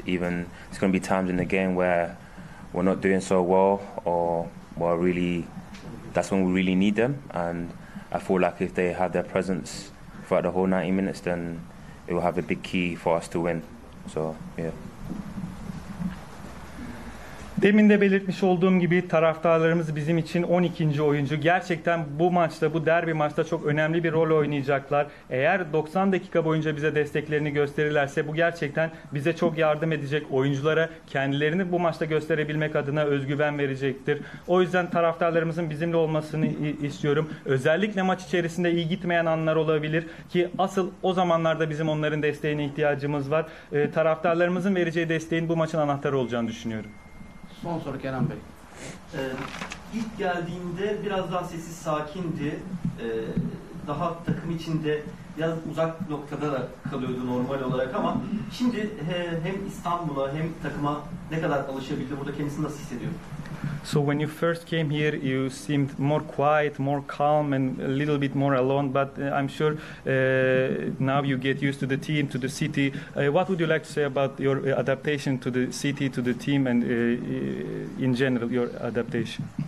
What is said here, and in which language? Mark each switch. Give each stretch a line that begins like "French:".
English: Even it's going to be times in the game where we're not doing so well, or we're really. That's when we really need them, and I feel like if they have their presence throughout the whole 90 minutes, then it will have a big key for us to win. So, yeah.
Turkish: Demin de belirtmiş olduğum gibi taraftarlarımız bizim için 12. oyuncu. Gerçekten bu maçta, bu derbi maçta çok önemli bir rol oynayacaklar. Eğer 90 dakika boyunca bize desteklerini gösterirlerse bu gerçekten bize çok yardım edecek. Oyunculara kendilerini bu maçta gösterebilmek adına özgüven verecektir. O yüzden taraftarlarımızın bizimle olmasını istiyorum. Özellikle maç içerisinde iyi gitmeyen anlar olabilir ki asıl o zamanlarda bizim onların desteğine ihtiyacımız var. Taraftarlarımızın vereceği desteğin bu maçın anahtarı olacağını düşünüyorum. Son soru Kenan Bey. İlk geldiğinde biraz daha sessiz sakindi. Daha takım içinde biraz uzak noktada da kalıyordu normal olarak ama şimdi hem İstanbul'a hem takıma ne kadar alışabildi? Burada kendisini nasıl hissediyor?
English: So when you first came here, you seemed more quiet, more calm, and a little bit more alone. But I'm sure now you get used to the team, to the city. What would you like to say about your adaptation to the city, to the team, and in general, your adaptation?